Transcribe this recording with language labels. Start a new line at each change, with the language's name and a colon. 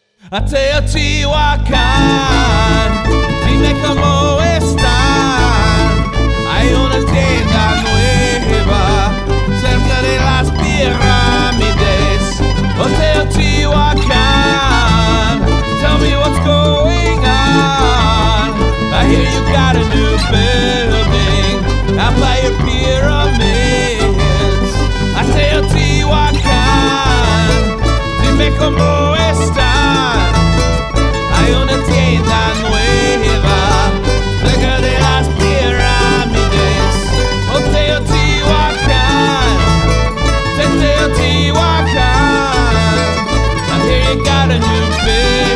Spanish: A Teotihuacan, dime cómo están. Hay una tienda nueva cerca de las pirámides.
English: A Teotihuacan, tell me what's going on. I hear you got a new building out by your pyramids.
Spanish: A Teotihuacan, dime cómo están. Una tienda nueva cerca de las pirámides.
English: Oh, Teotihuacan, Teotihuacan, I hear you got a new building.